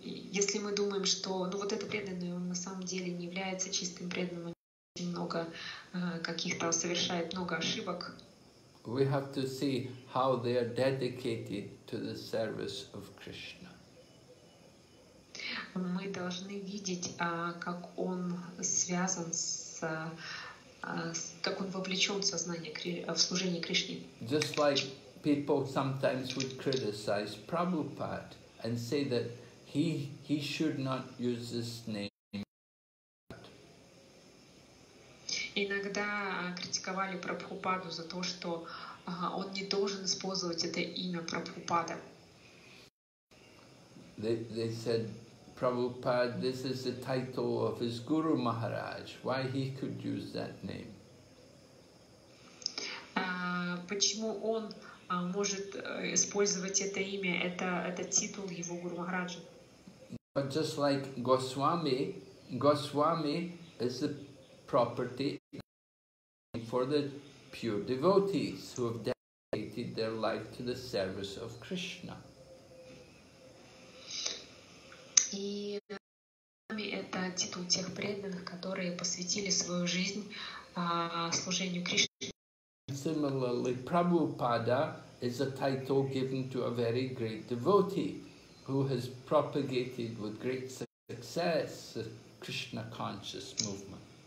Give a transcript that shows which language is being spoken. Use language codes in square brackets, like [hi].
[ru] если мы думаем, что вот это преданное, он на самом деле не является чистым преданным, он много каких-то совершает много ошибок. [en] We have to see how they are dedicated to the service of Krishna. [ru] Мы должны видеть, как он связан с, как он вовлечен в сознание, в служение Кришне. [en] Just like people sometimes would criticize Prabhupada and say that he should not use this name. [ru] Иногда критиковали Прабхупаду за то, что он не должен использовать это имя Прабхупада. [en] They said, Prabhupada, this is the title of his Guru Maharaj. Why he could use that name? [ru] Почему он может использовать это имя? Это титул его Гуру Махараджа. [en] But just like Госвами, Госвами is the property for the pure devotees who have dedicated their life to the service of Krishna. [ru] И Госвами – это титул тех преданных, которые посвятили свою жизнь служению Кришне. [en] Similarly, Prabhupada is a title given to a very great devotee who has propagated with great success the Krishna conscious movement.